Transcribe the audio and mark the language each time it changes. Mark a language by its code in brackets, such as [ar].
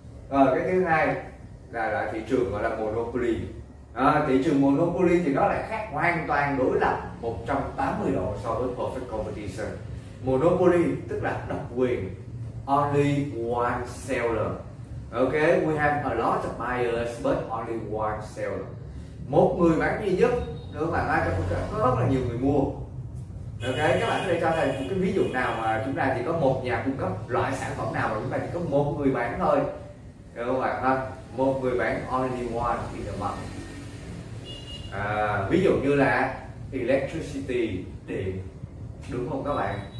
[vi] Rồi cái thứ hai là thị trường gọi là monopoly. À, thị trường monopoly thì nó lại khác hoàn toàn, đối lập 180 độ so với perfect competition. Monopoly tức là độc quyền, [en] only one seller. Ok, we have a lot of buyers but only one seller. [vi] Một người bán duy nhất, được không bạn ha? Trong cuộc chơi có rất là nhiều người mua. Ok, các bạn có thể cho thầy một cái ví dụ nào mà chúng ta chỉ có một nhà cung cấp loại sản phẩm nào mà chúng ta chỉ có một người bán thôi, được không bạn ha? Một người bán [en] only one in the market. [vi] À, ví dụ như là electricity, điện, đúng không các bạn?